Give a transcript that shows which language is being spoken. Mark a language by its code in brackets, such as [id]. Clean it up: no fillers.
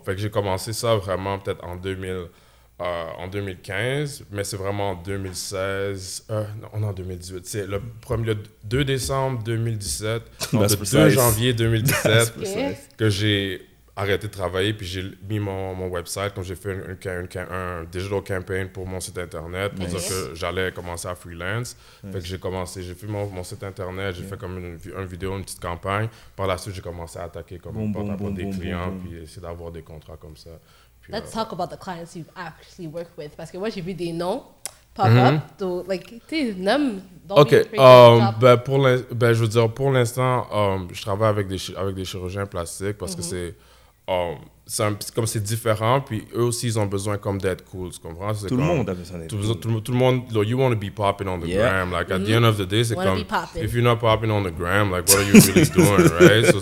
[fr] Fait que j'ai commencé ça vraiment peut-être en 2015, mais c'est vraiment en 2016, non, on est en 2018, c'est le 2 décembre 2017, le 2 janvier 2017, que j'ai arrêté de travailler, puis j'ai mis mon website, donc j'ai fait un digital campaign pour mon site internet, pour dire que j'allais commencer à freelance, fait que j'ai fait mon site internet, j'ai fait comme une vidéo, une petite campagne, par la suite j'ai commencé à attaquer comme des clients. Puis essayer d'avoir des contrats comme ça. [en] Let's talk about the clients you've actually worked with. [fr] Parce que moi, j'ai vu des noms pop up. Donc, like, tu sais, même dans je veux dire, pour l'instant, je travaille avec des chirurgiens plastiques parce que c'est différent. Puis eux aussi, ils ont besoin comme d'être cool. Tu comprends? Tout le monde a besoin d'être cool. Tout le monde, [en] like, you want to be popping on the gram. Like, at the end of the day, [fr] c'est comme, [en] if you're not popping on the gram, like, what are you really doing, right?